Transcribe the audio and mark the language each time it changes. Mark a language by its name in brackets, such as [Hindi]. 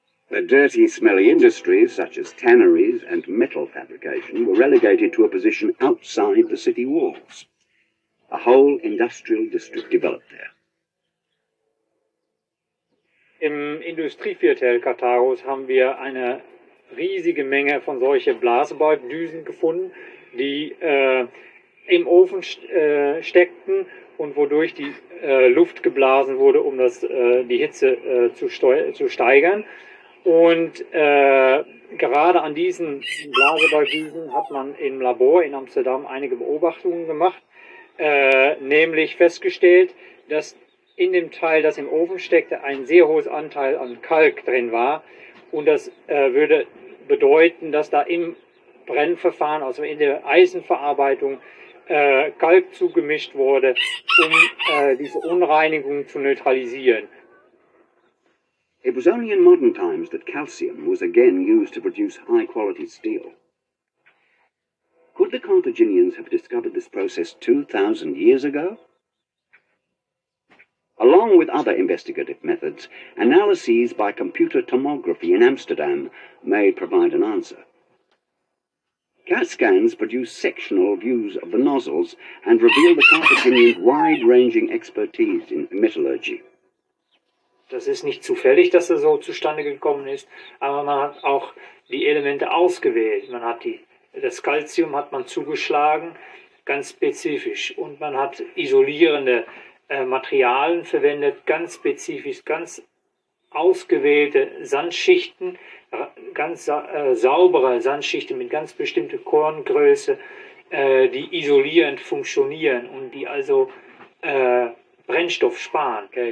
[English] The dirty, smelly industries, such as tanneries and metal fabrication, were relegated to a position outside the city walls. A whole industrial district developed there. [German] Im Industrieviertel Cartagos haben wir eine riesige Menge von solchen Blasebalgdüsen gefunden, die im Ofen steckten und wodurch die Luft geblasen wurde, um das, die Hitze zu steigern. Und gerade an diesen Blasebalgdüsen hat man im Labor in Amsterdam einige Beobachtungen gemacht, nämlich festgestellt, dass in dem Teil, das im Ofen steckte, ein sehr hohes Anteil an Kalk drin war. Und das würde bedeuten, dass da im Brennverfahren, also in der Eisenverarbeitung, Kalk zugemischt wurde, um diese Unreinigung zu neutralisieren. [English] It was only in modern times that calcium was again used to produce high-quality steel. Could the Carthaginians have discovered this process 2,000 years ago? Along with other investigative methods, analyses by computer tomography in Amsterdam may provide an answer. CAT scans produce sectional views of the nozzles and reveal the Carthaginian's wide-ranging expertise in metallurgy. [German] Das ist nicht zufällig, dass er so zustande gekommen ist, aber man hat auch die Elemente ausgewählt. Man hat das Calcium hat man zugeschlagen, ganz spezifisch, und man hat isolierende Materialien verwendet, ganz spezifisch, ganz ausgewählte Sandschichten, ganz saubere Sandschichten mit ganz bestimmter Korngröße, die isolierend funktionieren und die also Brennstoff sparen.